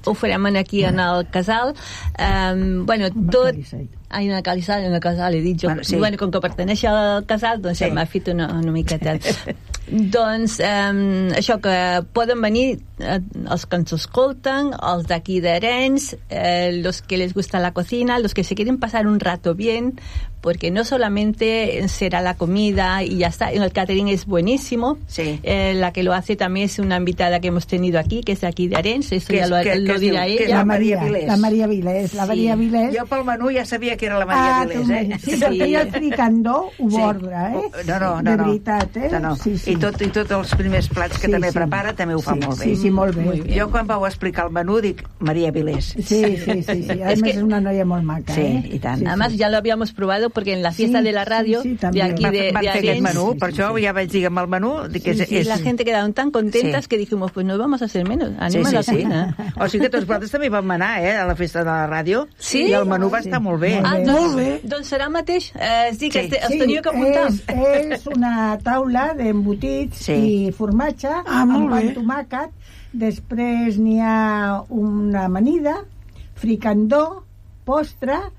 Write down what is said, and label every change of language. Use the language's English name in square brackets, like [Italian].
[Catalan] Ho farem aquí, en el casal. En el casal, he dit jo. Bueno, sí. Bueno, com que pertaneix al casal, doncs sí. M'ha fet una miqueta... Sí. Doncs això, que poden venir els que ens escolten, els d'aquí d'Arenys, [Spanish] los que les gusta la cocina, los que se quieren pasar un rato bien, porque no solamente será la comida y ya está, el catering es buenísimo. Sí. La que lo hace también es una invitada que hemos tenido aquí, que es de aquí d'Arenys, eso que ya lo dirá ella. La Maria Vilés. La Maria Vilés. [Catalan] Jo pel menú ja sabia que era la Maria Vilés. Sí. Jo fricandó ho borda, eh? No. De veritat, eh? No. Sí. I tots els primers plats que també prepara també ho fa molt bé. Sí, molt bé. Jo quan vau explicar el menú dic Maria Vilés. Sí. A més és una noia molt maca. Sí, i tant. A més ja l'havíem provat perquè en la fiesta de la ràdio d'aquí de Arenys... Per això ja vaig dir amb el menú... Sí, la gent quedava tan contenta que [Spanish] dijimos pues no vamos a hacer menos, [Catalan] anem a la cuina. O sigui que tots vosaltres també vam anar a la fiesta de la ràdio i el menú va estar molt bé. Molt bé. Doncs serà mateix. Sí, que els teniu que apuntar. És una taula d'embotits i formatge amb pan tomàquet. Després n'hi ha una amanida, fricandó, postre...